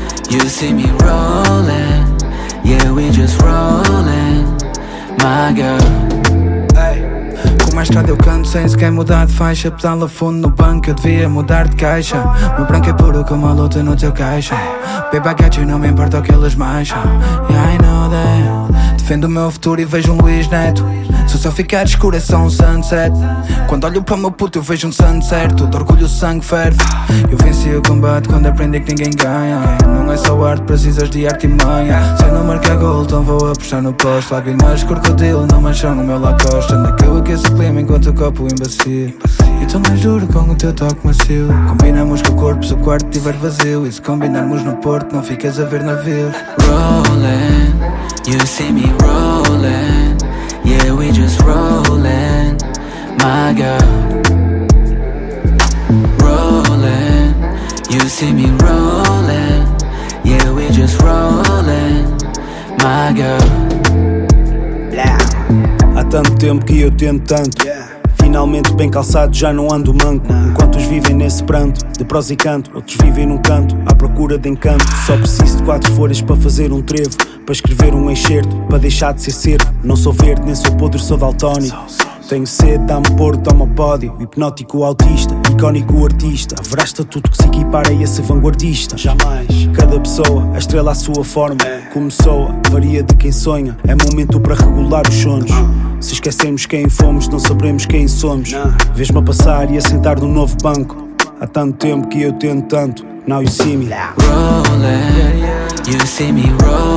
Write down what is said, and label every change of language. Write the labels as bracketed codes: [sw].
[en] You see me rolling, yeah, we just rolling, my girl. [pt] Na estrada eu canto sem sequer mudar de faixa. Pedala fundo no banco, eu devia mudar de caixa. Meu branco é puro como a luta no teu caixa. [en] Baby, I got you, [pt] não me importa o que eles mancham. [en] Yeah, I know that. [pt] Defendo o meu futuro e vejo um Luís Neto. Se o céu ficar escuro é só um sunset. Quando olho para o meu puto eu vejo um sunset. Todo orgulho o sangue ferve. Eu venci o combate quando aprendi que ninguém ganha. Não é só arte, precisas de arte e manha. Se eu não marcar gol, então vou apostar no posto. Lágrimas, crocodilo, não mancham no meu Lacoste. Anda que eu aqueço o clima enquanto o copo embacia. E também juro com o teu toque macio. Combinamos com corpos, o quarto estiver vazio. E se combinarmos no porto, não ficas a ver navios. [en] Rolling, you see me rolling. Yeah, we just rolling, my girl. Rolling, you see me rolling. Yeah, we just rolling, my girl. [pt] Há tanto tempo que eu tento tanto. Finalmente bem calçado, já não ando manco. Enquanto uns vivem nesse pranto, de prós e canto, outros vivem num canto, à procura de encanto. Só preciso de quatro folhas para fazer um trevo, para escrever um enxerto, para deixar de ser cedo. Não sou verde, nem sou podre, sou daltónico. Tenho sede, dá-me porto, toma pódio. Hipnótico autista, icónico artista. Haverás-te a tudo que se equipara a esse vanguardista. Jamais. Cada pessoa, a estrela à sua forma. Como soa, varia de quem sonha. É momento para regular os sonhos. Se esquecemos quem fomos, não sabemos quem somos. Vês-me a passar e a sentar num novo banco. Há tanto tempo que eu tento tanto. [en] Now you see me rolling, you see me rolling.